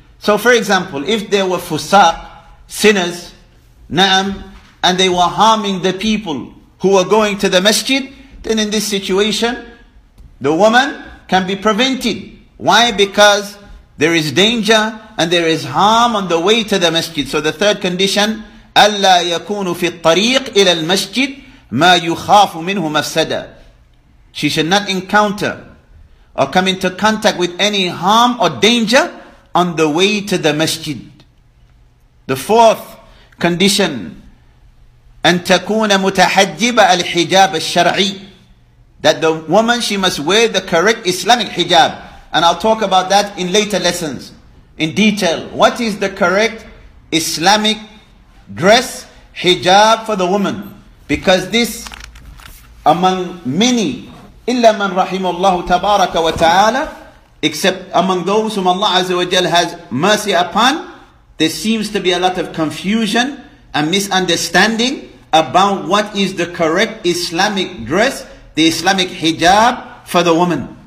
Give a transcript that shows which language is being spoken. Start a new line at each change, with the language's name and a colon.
English: So for example, if there were fusaq, sinners, na'am, and they were harming the people who were going to the masjid, then in this situation, the woman can be prevented. Why? Because there is danger and there is harm on the way to the masjid. So the third condition,
Arabic: أَلَّا يَكُونُ فِي الطَّرِيقِ إِلَى الْمَسْجِدِ مَا يُخَافُ مِنْهُ مَفْسَدًا.
English: She should not encounter or come into contact with any harm or danger on the way to the masjid. The fourth condition,
Arabic: أن تكون متحجبة الحجاب الشرعي.
English: That the woman, she must wear the correct Islamic hijab. And I'll talk about that in later lessons, in detail. What is the correct Islamic dress hijab for the woman, because this, among many,
Arabic: illa man rahimallahu tabaraka wa ta'ala,
English: except among those whom Allah Azza wa Jalla has mercy upon, there seems to be a lot of confusion and misunderstanding about what is the correct Islamic dress, the Islamic hijab for the woman.